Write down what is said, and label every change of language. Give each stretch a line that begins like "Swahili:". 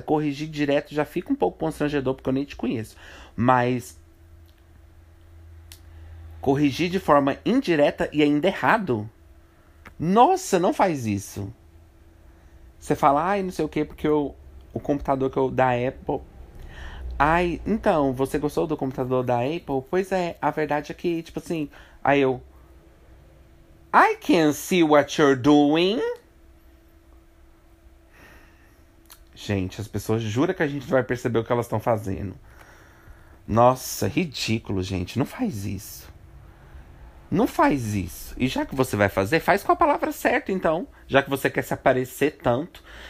Portuguese: Corrigir direto já fica um pouco constrangedor, porque eu nem te conheço. Mas corrigir de forma indireta e ainda errado? Nossa, não faz isso. Você fala, ai, não sei o quê, porque eu, o computador que eu, da Apple... Ai, então, você gostou do computador da Apple? Pois é, a verdade é que, tipo assim... Aí eu...
English: I can see what you're doing.
Portuguese: Gente, as pessoas juram que a gente não vai perceber o que elas estão fazendo. Nossa, ridículo, gente. Não faz isso. Não faz isso. E já que você vai fazer, faz com a palavra certa, então. Já que você quer se aparecer tanto...